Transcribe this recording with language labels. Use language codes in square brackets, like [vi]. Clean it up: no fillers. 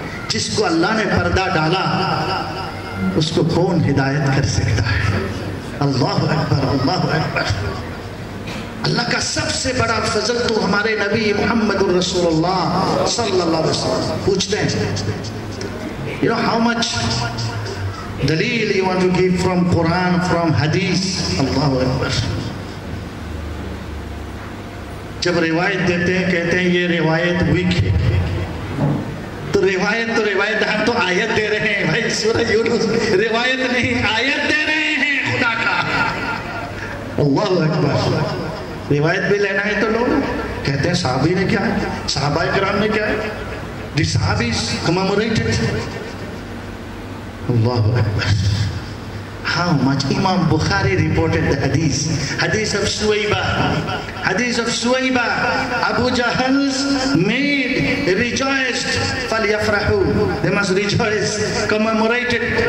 [ur] جس کو اللہ نے پردہ ڈالا اس کو کون ہدایت کر سکتا ہے. اللہ اکبر, اللہ اکبر. اللہ کا سب سے بڑا فضل تو ہمارے نبی محمد الرسول اللہ صلی اللہ علیہ وسلم. پوچھتے ہیں, [en] you know how much daleel you want to give from Quran, from Hadith. [ar] Allahu Akbar. [ur] جب روایت دیتے ہیں کہتے ہیں یہ روایت ویک ہے. تو روایت ہم تو آیت دے رہے ہیں بھائی, سورہ یونس روایت نہیں آیت دے رہے ہیں خدا کا. اللہ اکبر. روایت بھی لینا ہے تو لوگ کہتے ہیں صحابی نے کیا ہے, صحابہ کرام نے کیا ہے, [en] The Sahabi commemorated. [ar] اللہ اکبر. [en] How much Imam Bukhari reported the hadith? Hadith of Suwaybah. Hadith of Suwaybah. Abu Jahl's maid rejoiced. Falyafrahu. They must rejoice. Commemorated.